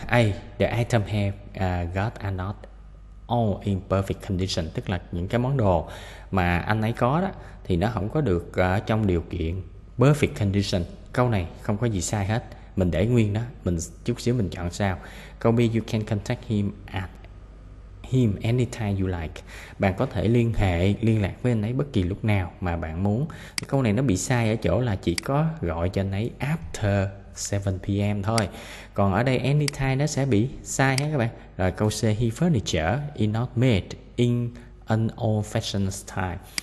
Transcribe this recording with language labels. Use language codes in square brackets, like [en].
[vi] A, [en] the item have got a note. All in perfect condition, [vi] tức là những cái món đồ mà anh ấy có đó thì nó không có được trong điều kiện perfect condition. Câu này không có gì sai hết, mình để nguyên đó, mình chút xíu mình chọn sao. Câu B, [en] you can contact him at him anytime you like. [vi] Bạn có thể liên hệ, liên lạc với anh ấy bất kỳ lúc nào mà bạn muốn. Câu này nó bị sai ở chỗ là chỉ có gọi cho anh ấy after 7 p.m. thôi. Còn ở đây anytime nó sẽ bị sai ha các bạn. Rồi câu C, [en] he furniture is not made in an old fashioned style.